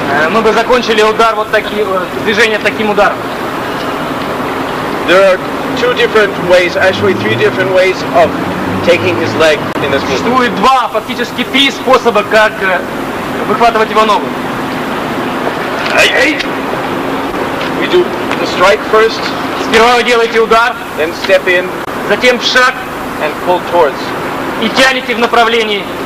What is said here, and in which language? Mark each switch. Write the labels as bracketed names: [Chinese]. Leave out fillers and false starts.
[Russian] Мы бы закончили удар вот таким движение таким ударом. [English] There are two different ways, actually three different ways of taking his leg in this movement. [Russian] Существует два, фактически три способа, как выхватывать его ногу. [English] We do the strike first. [Russian] Сперва вы делаете удар. [English] Then step in. [Russian] Затем в шаг. [English] And pull towards. [Russian] И тянете в направлении.